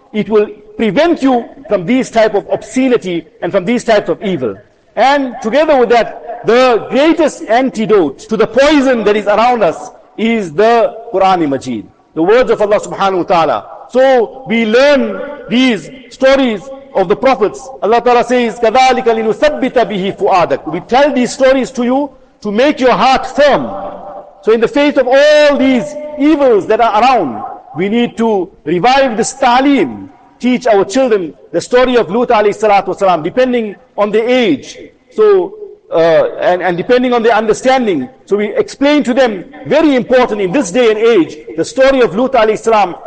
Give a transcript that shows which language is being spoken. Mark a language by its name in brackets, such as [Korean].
[English] It will prevent you from these type of obscenity and from these types of evil. And together with that, the greatest antidote to the poison that is around us is the Qur'an Majeed, the words of Allah subhanahu wa ta'ala. So we learn these stories of the prophets. Allah ta'ala says, [Arabic] كَذَلِكَ لِنُثَبِّتَ بِهِ فُؤَادَكُ. [English] We tell these stories to you to make your heart firm. So in the face of all these evils that are around, we need to revive this ta'aleem. Teach our children the story of Lut alayhi salatu wasalam, depending on their age. So, and depending on their understanding. So we explain to them, very important in this day and age, the story of Lut alayhi salam.